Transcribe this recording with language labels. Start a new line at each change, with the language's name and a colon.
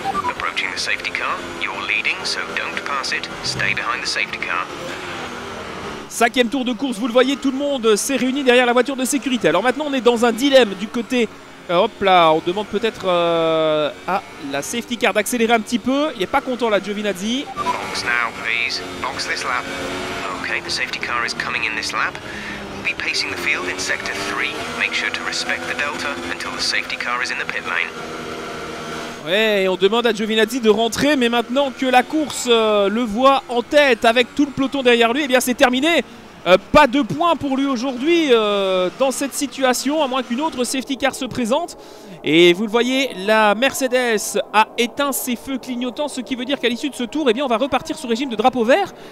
English: Approaching the safety car, you're leading, so don't pass it. Stay behind the safety car.
French: Cinquième tour de course, vous le voyez, tout le monde s'est réuni derrière la voiture de sécurité. Alors maintenant, on est dans un dilemme du côté... hop là, on demande peut-être à la safety car d'accélérer un petit peu. Il n'est pas content, là, Giovinazzi.
English: Box now, please. Box this lap. Okay, the safety car is coming in this lap. We'll be pacing the field in sector 3. Make sure to respect the delta until the safety car is in the pit lane.
French: Ouais, et on demande à Giovinazzi de rentrer, mais maintenant que la course le voit en tête avec tout le peloton derrière lui, eh bien c'est terminé. Pas de points pour lui aujourd'hui dans cette situation, à moins qu'une autre safety car se présente. Et vous le voyez, la Mercedes a éteint ses feux clignotants, ce qui veut dire qu'à l'issue de ce tour, eh bien on va repartir sous régime de drapeau vert.